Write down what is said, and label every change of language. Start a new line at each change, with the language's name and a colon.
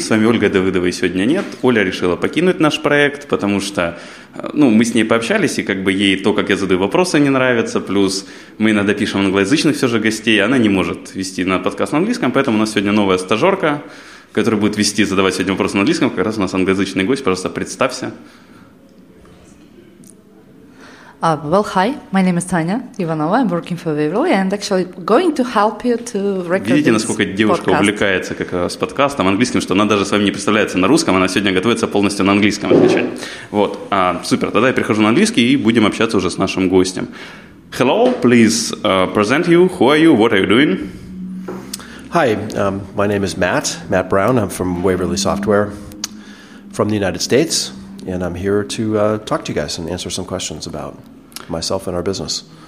Russian: С вами Ольга Давыдова, и сегодня нет. Оля решила покинуть наш проект, потому что, ну, мы с ней пообщались, и как бы ей то, как я задаю вопросы, не нравится. Плюс мы иногда пишем англоязычных все же гостей, она не может вести на подкаст на английском, поэтому у нас сегодня новая стажерка, которая будет вести, задавать сегодня вопросы на английском. Как раз у нас англоязычный гость, пожалуйста, представься.
English: Well, hi, my name is Tanya Ivanova, I'm working for Waverly, and actually going to help you to record.
Russian: Видите, насколько девушка увлекается как с подкастом английским, что она даже с вами не представляется на русском, она сегодня готовится полностью на английском отвечать. Вот, супер, тогда я перехожу на английский и будем общаться уже с нашим гостем.
English: Hello, please present you, who are you, what are you doing? Hi, my name is Matt Brown, I'm from Waverly Software, from the United States. And I'm here to talk to you guys and answer some questions about myself and our business.